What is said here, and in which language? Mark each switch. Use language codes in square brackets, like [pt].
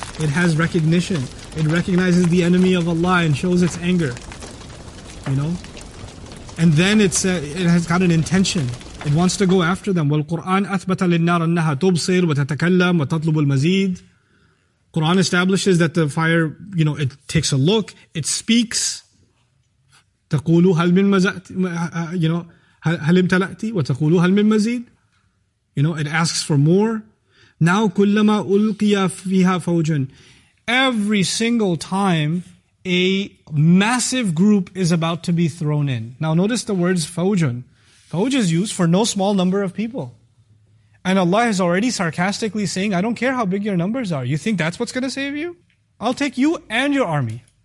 [en] It has recognition. It recognizes the enemy of Allah and shows its anger. You know? And then it has got an intention. It wants to go after them. [ar] وَالْقُرْآنْ أَثْبَتَ لِلنَّارِ أَنَّهَا تُبْصِرْ وَتَتَكَلَّمْ وَتَطْلُبُ الْمَزِيدِ. [en] Quran establishes that the fire, you know, it takes a look, it speaks. [ar] تَقُولُ هَلْ مِنْ مَزَأْتِ, you know, هَلْ امْتَلَأْتِ وَتَقُولُ هَلْ مِنْ مَزِيدِ. [en] You know, it asks for more. [ar] Now كُلَّمَا أُلْقِيَ فِيهَا فَوْجٌ. [en] Every single time, a massive group is about to be thrown in. Now notice the words fawjun. Fawj is used for no small number of people. And Allah is already sarcastically saying, I don't care how big your numbers are. You think that's what's going to save you? I'll take you and your army.